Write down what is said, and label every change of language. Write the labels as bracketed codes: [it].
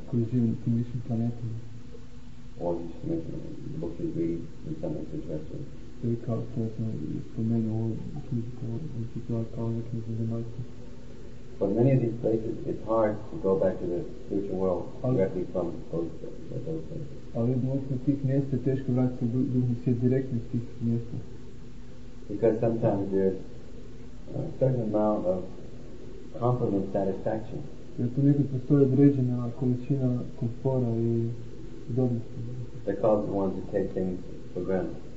[hr] Koji živi na tim višim planetima. [en] All these mentioned in the book you read in some of the scriptures. For many of these places, it's hard to go back to the spiritual world directly from those places. [hr] Ali možda tih mjesta teško vratiti u duhni svijet direktno iz tih mjesta. [en] Because sometimes there's a certain amount of comfort and satisfaction. [hr] Jer tu nekad postoje određena količina komfora i udobnosti. [en] The cause of one to take things for granted.